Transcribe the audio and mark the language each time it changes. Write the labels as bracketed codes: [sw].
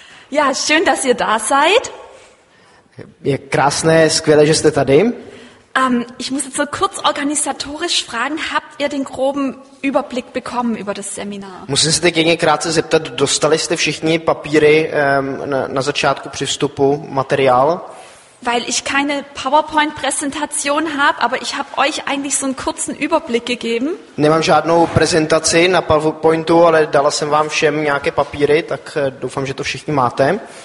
[de] Ja, schön, dass ihr da seid. [cs] Je krásné, skvělé, že jste tady. [de] Ich muss jetzt so kurz organisatorisch fragen, habt ihr den groben Überblick bekommen über das Seminar? [cs] Musím se teď krátce zeptat, dostali jste všichni papíry na začátku při vstupu, materiál? [de] Weil ich keine PowerPoint-Präsentation habe, aber ich habe euch eigentlich so einen kurzen Überblick gegeben. [cs] Nemám žádnou prezentaci na PowerPointu, ale dala jsem vám všem nějaké papíry, tak doufám, že to všichni máte.